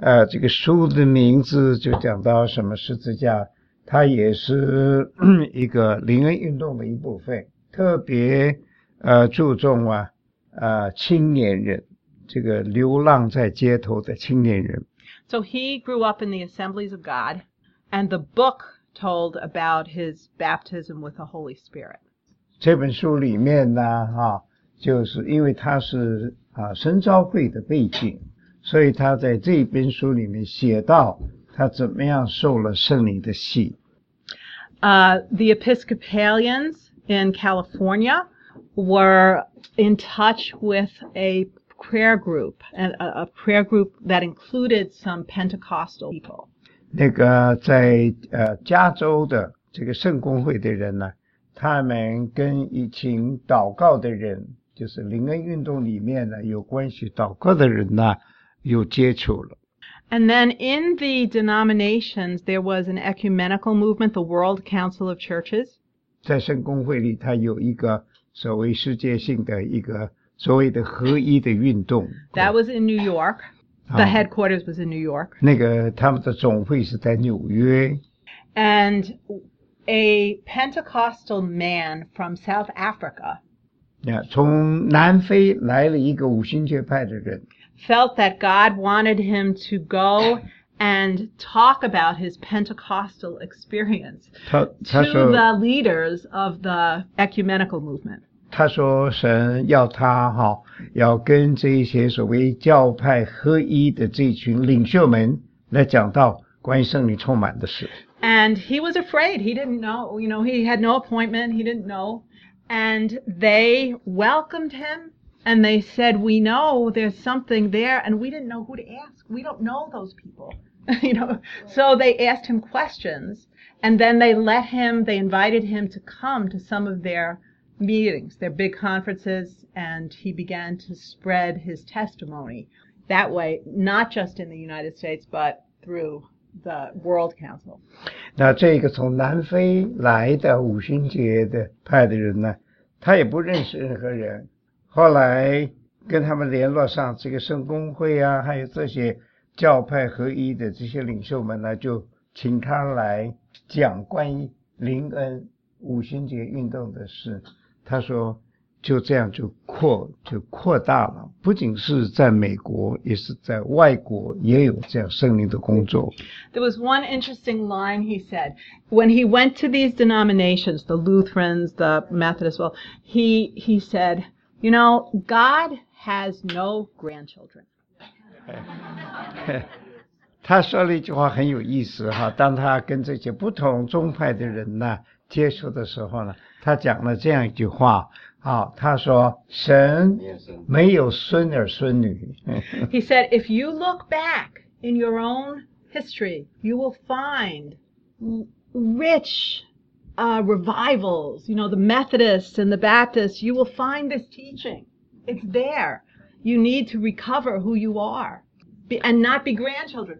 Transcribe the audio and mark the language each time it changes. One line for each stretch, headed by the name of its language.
Chinese: 这个书的名字就讲到什么十字架，它也是一个灵恩运动的一部分，特别注重啊青年人，这个流浪在街头的青年人。
English: So he grew up in the Assemblies of God, and the book told about his baptism with the Holy Spirit.
Chinese: 这本书里面呢，就是因为它是神召会的背景。所以他在这本书里面写到他怎么样受了圣灵的洗。
English: The Episcopalians in California were in touch with a prayer group, and a prayer group that included some Pentecostal people.
Chinese: 那个在加州的这个圣公会的人呢，他们跟一群祷告的人，就是灵恩运动里面呢有关系祷告的人呢，有接触了。
English: And then in the denominations, there was an ecumenical movement, the World Council of Churches.
Chinese: 在圣公会里，它有一个所谓世界性的一个所谓的合一的运动。
English: That was in New York. The headquarters was in New York.
Chinese: 那个他们的总会是在纽约。
English: And a Pentecostal man from South Africa.
Chinese: 从南非来了一个五旬节派的人。
English: Felt that God wanted him to go and talk about his Pentecostal experience to the leaders of the ecumenical movement.
Chinese: 他说神要他要跟这些所谓教派合一的这群领袖们来讲到关于圣灵充满的事。
English: And he was afraid. He didn't know, you know, he had no appointment. He didn't know. And they welcomed him. And they said, we know there's something there, and we didn't know who to ask. We don't know those people. You know? So they asked him questions, and then they invited him to come to some of their meetings, their big conferences, and he began to spread his testimony that way, not just in the United States, but through the World Council.
Chinese: 那这个从南非来的五旬节的派的人呢，他也不认识任何人。后来跟他们联络上这个圣公会啊，还有这些教派合一的这些领袖们呢，就请他来讲关于灵恩五旬节运动的事。他说就这样就扩大了，不仅是在美国，也是在外国也有这样圣灵的工作。
English: There was one interesting line he said. When he went to these denominations, the Lutherans, the Methodists, well, he said,You know, God has no grandchildren.
Chinese: 他说了一句话很有意思哈，当他跟这些不同宗派的人呢接触的时候呢，他讲了这样一句话啊，他说神没有孙儿孙女。
English: He said, if you look back in your own history, you will find rich. Revivals, you know, the Methodists and the Baptists, you will find this teaching. It's there. You need to recover who you are and not be grandchildren.